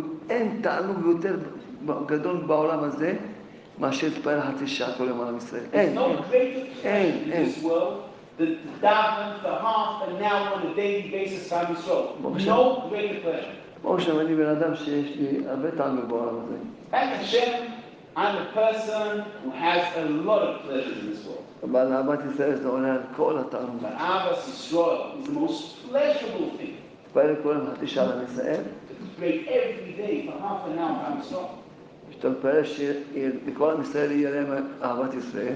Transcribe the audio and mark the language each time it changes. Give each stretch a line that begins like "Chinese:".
Hebrew: אין תענוג יותר גדול בעולם הזה מאשר להתפלל חצי שעה כל יום על עם ישראל. אין.
English: There's no greater pleasure in this world than to daven for half an hour on a daily basis by Yisrael. No greater pleasure.
Hebrew: ברוך השם, אני בן אדם שיש לי הרבה תענוג בעולם הזה.
English: Thank Hashem. I'm a person who has a lot of pleasure in this world. But Abbas Yisrael is the most pleasurable thing. To pray every day for half an hour by Yisrael.